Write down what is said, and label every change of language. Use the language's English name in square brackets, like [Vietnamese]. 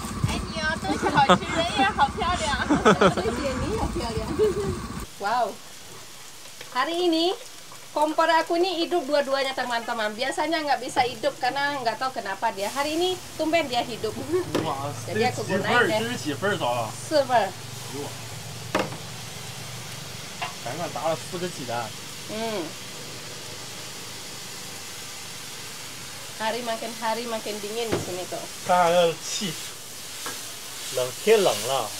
[Chinese] 哎，你啊，东西好吃，人也好漂亮。谢谢，你也漂亮。 [Indonesian] 哇哦，hari ini kompor aku ini hidup dua-duanya teman-teman. Biasanya nggak bisa hidup karena nggak tahu kenapa dia. Hari ini tumben dia hidup. Wah, jadi aku gunain [Chinese] deh. 这是几份儿着了？四份。哎呦，刚刚打了四个鸡蛋。嗯。 [Indonesian] Hari makin dingin di sini tuh. Kan ada panas. [Chinese] 冷，天冷了。